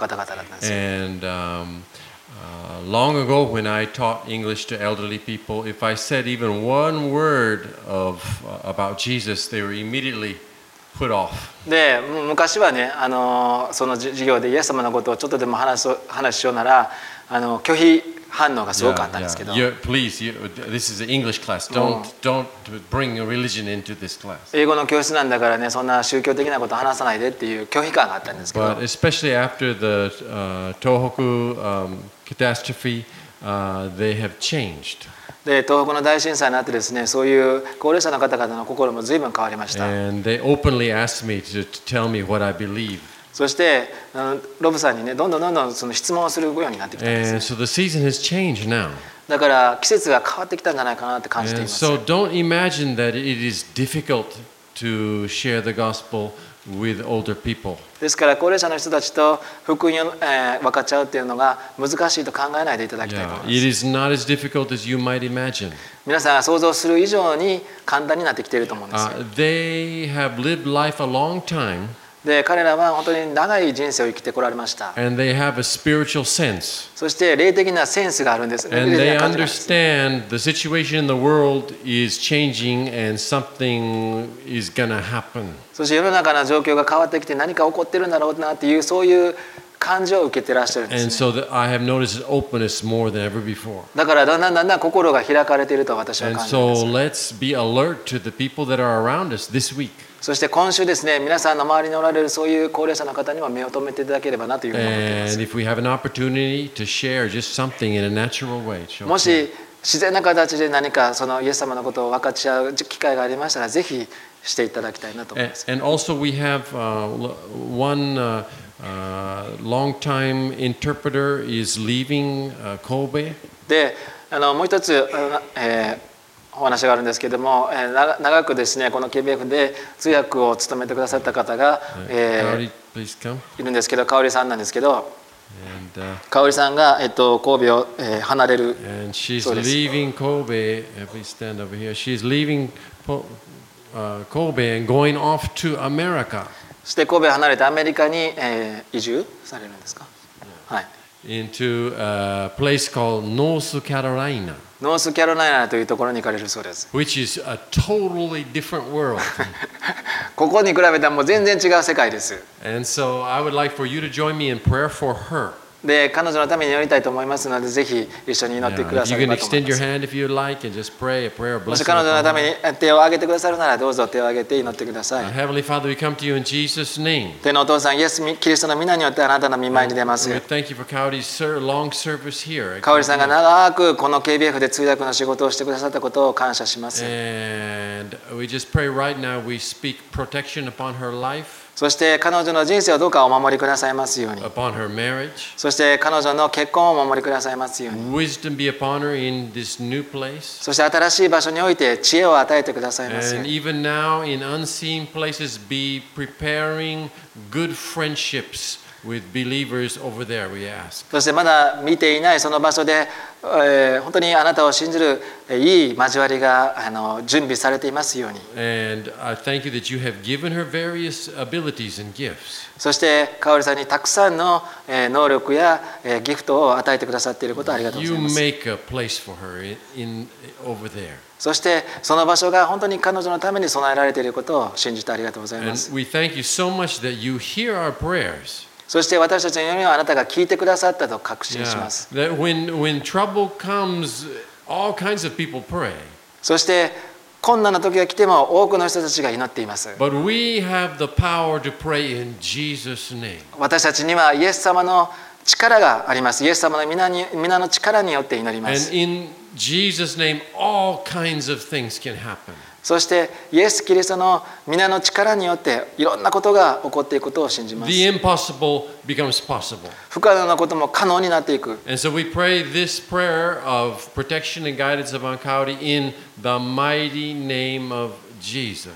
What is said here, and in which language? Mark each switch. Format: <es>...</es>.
<en>Long ago, when I taught English to elderly people, if I said even one word about Jesus, they were immediately put off.</en> <ja>で、昔はね、その授業でイエス様のことをちょっとでも話しようなら、拒否反応がすごくあったんですけど。</ja> <en>Yeah, yeah. Please, this is an English class. Don't bring a religion into this class.</en> <ja>英語の教室なんだからね、そんな宗教的なこと話さないでっていう拒否感があったんですけど。</ja> <en>But especially after the Tohoku catastrophe, they have changed.</en> <ja>で、東北の大震災になってですね、そういう高齢者の方々の心も随分変わりました。</ja> <en>And they openly asked me to tell me what I believe.</en> <ja>そしてロブさんにね、どんどんどんどんその質問をするようになってきたんですね。</ja> <en>So the season has changed now.</en> <ja>だから季節が変わってきたんじゃないかなって感じています。</ja> <en>And so don't imagine that it is difficult to share the gospel with older people.</en> <ja>ですから高齢者の人たちと福音を、分かっちゃうっていうのが難しいと考えないでいただきたいと思います。</ja> <en>Yeah, it is not as difficult as you might imagine.</en> <ja>皆さんが想像する以上に簡単になってきていると思うんですよ。</ja> <en>They have lived life a long time.</en> <ja>で彼らは本当に長い人生を生きてこられました。</ja> <en>And they have a spiritual sense.</en> <ja>そして霊的なセンスがあるんです。</ja> <en>And they understand the situation in the world is changing and something is gonna happen.</en> <ja>そして世の中の状況が変わってきて何か起こってるんだろうなっていうそういう感情を受けてらっしゃるんですね。</ja> <en>And so that I have noticed openness more than ever before.</en> <ja>だからだんだんだんだん心が開かれていると私は感じます。</ja> <en>And so let's be alert to the people that are around us this week.</en> <ja>そして今週ですね、皆さんの周りにおられるそういう高齢者の方にも目を留めていただければなというふうに思っています。</ja> <en>And if we have an opportunity to share</en> <ja>もし自然な形で何かそのイエス様のことを分かち合う機会がありましたら、ぜひしていただきたいなと思います。</ja> <en>And also we have one long time interpreter is leaving Kobe.</en> <ja>で、もう一つ。お話があるんですけれども、長くですね、この KBF で通訳を務めてくださった方が、いるんですけど、香織さんなんですけど、香織さんが、神戸を、離れるそうです。</ja> <en>And she's leaving Kobe and going off to America.</en> <ja>そして神戸を離れてアメリカに、移住されるんですか。はい。</ja> <en>Into a place called North Carolina.</en> <ja>ノースカロライナというところに行かれるそうです。</ja> <en>Which is a totally different world.</en> <ja>ここに比べたらもう全然違う世界です。</ja> <en>And so I would like for you to join me in prayer for her.</en> <ja>で、彼女のために祈りたいと思いますので、ぜひ一緒に祈ってくださいと思います。</ja> <en>You can extend your hand if you like and just pray a prayer of blessing.</en> <ja>もし彼女のために手を挙げてくださるなら、どうぞ手を挙げて祈ってください。</ja> <en>Heavenly Father, we come to you in Jesus' name.</en> <ja>天のお父さん、イエス・キリストの皆によってあなたの御前に出ます。</ja> <en>Thank you for Kaori's long service here.</en> <ja>カオリさんが長くこの KBF で通訳の仕事をしてくださったことを感謝します。</ja> <en>And we just pray right now, we speak protection upon her life.</en> <ja>そして彼女の人生をどうかお守りくださいますように。</ja> <en>Upon her marriage,</en> <ja>そして彼女の結婚をお守りくださいますように。</ja> <en>Wisdom be upon her in this new place.</en> <ja>そして新しい場所において知恵を与えてくださいますように。</ja> <en>And even now in unseen places, be preparing good friendships with believers over there. We ask.</en> <ja>そしてまだ見ていないその場所で、本当にあなたを信じるいい交わりが準備されていますように。</ja> <en>And I thank you that you have given her various abilities and gifts.</en> <ja>そしてカオリさんにたくさんの能力やギフトを与えてくださっていることをありがとうございます。</ja> <en>You make a place for her in over there.</en> <ja>そしてその場所が本当に彼女のために備えられていることを信じてありがとうございます。</ja> <en>And we thank you so much that you hear our prayers.</en> <ja>そして私たちの祈りはあなたが聞いてくださったと確信します。</ja> <en>When trouble comes, all kinds of people pray.</en> <ja>そして困難な時が来ても多くの人たちが祈っています。</ja> <en>But we have the power to pray in Jesus' name.</en> <ja>私たちにはイエス様の力があります。イエス様の皆の力によって祈ります。</ja> <en>And in Jesus' name, all kinds of things can happen.</en> <ja>そしてイエス・キリストの皆の力によっていろんなことが起こっていくことを信じます。</ja> <en>The impossible becomes possible.</en> <ja>不可能なことも可能になっていく。</ja> <en>And so we pray this prayer of protection and guidance of Ankaori in the mighty name of Jesus.</en>